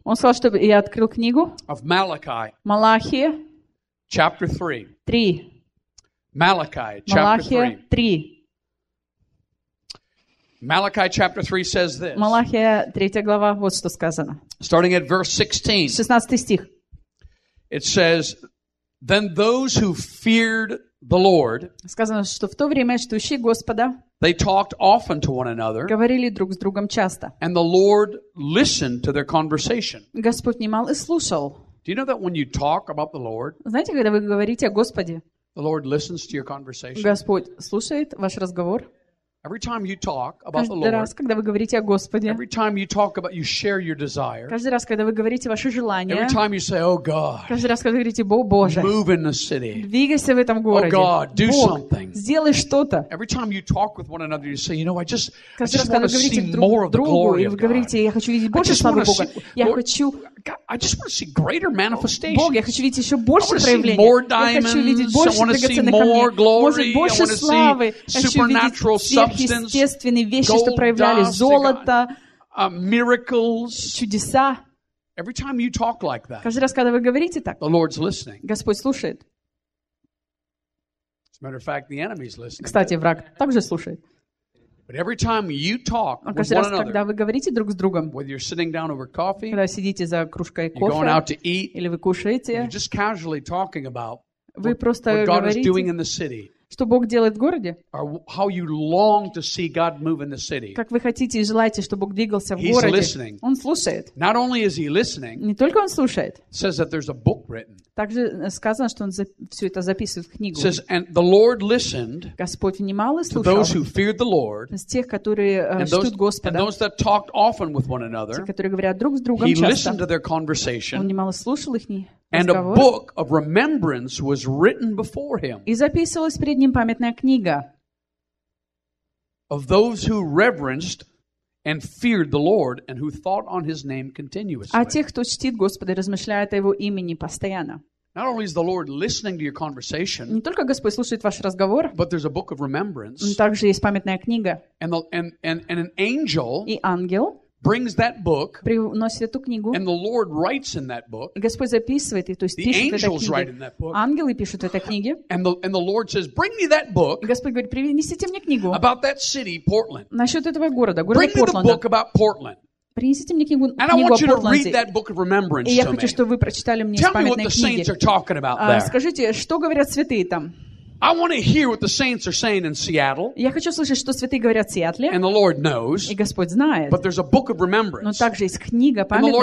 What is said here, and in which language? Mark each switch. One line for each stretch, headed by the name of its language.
Russian: он сказал, чтобы я открыл книгу
English: of Malachi,
Russian: Малахия,
English: chapter 3.
Russian: 3.
English: Malachi, chapter
Russian: 3. Малахия 3.
English: Malachi chapter 3 says this.
Russian: Малахия 3 глава вот что сказано.
English: Starting at verse 16.
Russian: 16 стих.
English: It says, then those who feared the Lord,
Russian: сказано, что в то время чтущие Господа,
English: they talked often to one another,
Russian: говорили друг с другом часто.
English: And the Lord listened to their conversation.
Russian: Господь внимал и слушал.
English: Do you know that when you talk about the Lord,
Russian: знаете, когда вы говорите о Господе,
English: the Lord listens to your conversation.
Russian: Господь слушает ваш разговор.
English: Every time you talk about the Lord,
Russian: раз, когда вы говорите о Господе,
English: every time you talk about, you share your desire,
Russian: каждый раз, когда вы говорите ваши желания,
English: every time you say, oh God,
Russian: каждый раз, когда вы говорите, о Боже,
English: move in the city,
Russian: двигайся в этом городе,
English: oh God, do
Russian: Бог,
English: something,
Russian: сделай что-то.
English: Every time you talk with one another, you say, you know, I just,
Russian: каждый раз, когда вы говорите
English: see more of the glory of God.
Russian: Вы говорите, я хочу видеть больше славы Бога. Я хочу...
English: God, I just want to see greater manifestations.
Russian: Бог, я хочу видеть еще больше проявлений.
English: More diamonds. I want to see more glory.
Russian: Может, больше славы.
English: Supernatural substance.
Russian: Что проявляли золото.
English: Miracles.
Russian: Чудеса.
English: Every time you talk like that.
Russian: Каждый раз, когда вы говорите так.
English: The Lord's listening.
Russian: Господь слушает.
English: As a matter of fact, the enemy's listening.
Russian: Кстати, враг также слушает.
English: But every time you talk with one
Russian: раз,
English: another,
Russian: когда вы говорите друг с другом,
English: whether you're sitting down over coffee,
Russian: когда сидите за кружкой кофе,
English: you're going out to eat,
Russian: или вы кушаете,
English: you're just casually talking about what God is doing in the city,
Russian: что Бог делает в городе,
English: or how you long to see God move in the city,
Russian: как вы хотите и желаете, чтобы Бог двигался в
English: He's
Russian: городе,
English: listening.
Russian: Он слушает.
English: Not only is he listening,
Russian: не только он слушает,
English: says that there's a book written.
Russian: Также сказано, что он все это записывает в книгу.
English: Says, and the Lord listened,
Russian: Господь внимал и слушал
English: to those who feared the Lord,
Russian: с тех, которые ждут Господа,
English: and those that talked often with one another,
Russian: те, которые говорят друг с другом
English: he
Russian: часто.
English: Listened to their conversation,
Russian: он внимал и слушал их.
English: And a book of remembrance was written before him.
Russian: И записывалась перед ним памятная книга.
English: Of those who reverenced and feared the Lord and who thought on his name continuously.
Russian: А тех, кто чтит Господа и размышляет о его имени постоянно.
English: Not only is the Lord listening to your conversation,
Russian: не только Господь слушает ваш разговор,
English: but there's a book of remembrance.
Russian: Также есть памятная книга.
English: And an angel,
Russian: и ангел,
English: brings that book,
Russian: приносит эту книгу,
English: and the Lord writes in that book.
Russian: Господь записывает и то есть пишет в этой книге.
English: The angels write in that book.
Russian: Ангелы пишут в этой книге.
English: And the Lord says, "Bring me that book."
Russian: Господь говорит, принесите мне книгу.
English: About that city, Portland.
Russian: Насчет этого города, города
English: Портленда. Bring me the book about Portland.
Russian: Принесите мне книгу,
English: and
Russian: книгу
English: I want you to read that book of remembrance.
Russian: И я хочу, чтобы вы прочитали мне из памятной книги.
English: Tell me what the saints are talking about there.
Russian: Скажите, что говорят святые там?
English: I want to hear what the saints are saying in Seattle.
Russian: Я хочу слышать, что святые говорят в Сиэтле.
English: And the Lord knows.
Russian: И Господь знает.
English: But there's a book of remembrance.
Russian: Но также есть книга, памятная книга.